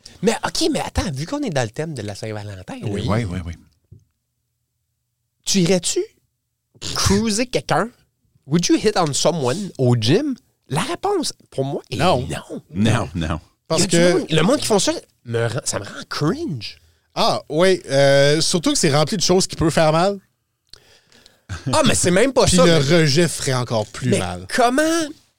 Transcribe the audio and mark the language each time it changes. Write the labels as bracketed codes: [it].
[fr] Mais OK, mais attends, vu qu'on est dans le thème de la Saint-Valentin, oui, là, oui. Tu irais-tu cruiser quelqu'un? [en] Would you hit on someone au gym? [fr] La réponse, pour moi, est non. Non. Parce que le monde qui font ça, ça me rend cringe. Ah, oui. Surtout que c'est rempli de choses qui peuvent faire mal. Ah, mais c'est même pas puis ça. Puis le mais... rejet ferait encore plus mais mal. Comment?